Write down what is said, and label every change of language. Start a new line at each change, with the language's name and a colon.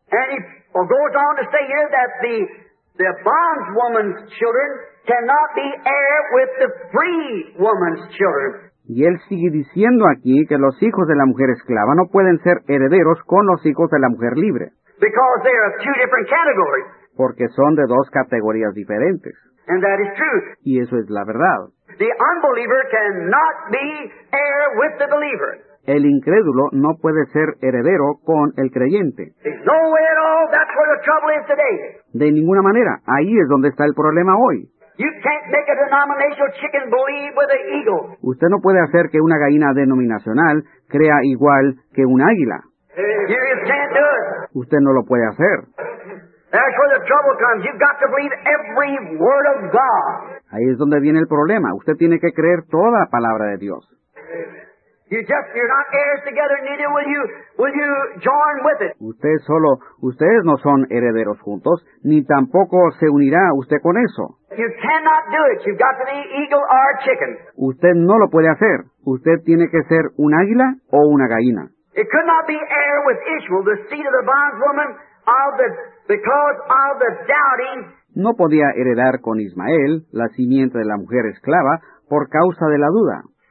English: And he goes on to say here that the bondwoman's children cannot be heir with the free woman's children.
Spanish: Y él sigue diciendo aquí que los hijos de la mujer esclava no pueden ser herederos con los hijos de la mujer libre.
English: Because they are two different categories.
Spanish: Porque son de dos categorías diferentes.
English: And that is true.
Spanish: Y eso es la verdad.
English: The unbeliever cannot be heir with the believer.
Spanish: El incrédulo no puede ser heredero con el creyente.
English: There's no way at all. That's where the trouble is today.
Spanish: De ninguna manera. Ahí es donde está el problema hoy.
English: You can't make a denominational chicken believe with an eagle.
Spanish: Usted no puede hacer que una gallina denominacional crea igual que un águila.
English: You just can't do it.
Spanish: Usted no lo puede hacer.
English: That's where the trouble comes. You've got to believe every word of God.
Spanish: Ahí es donde viene el problema. Usted tiene que creer toda palabra de Dios.
English: You're not heirs together, neither will you join with it.
Spanish: Ustedes no son herederos juntos, ni tampoco se unirá usted con eso.
English: You cannot do it. You've got to be eagle or chicken.
Spanish: Usted no lo puede hacer. Usted tiene que ser un águila o una gallina.
English: It could not be heir with Ishmael, the seed of the bondwoman, because of the doubting.
Spanish: No podía heredar con Ismael, la simiente de la mujer esclava, por causa de la duda.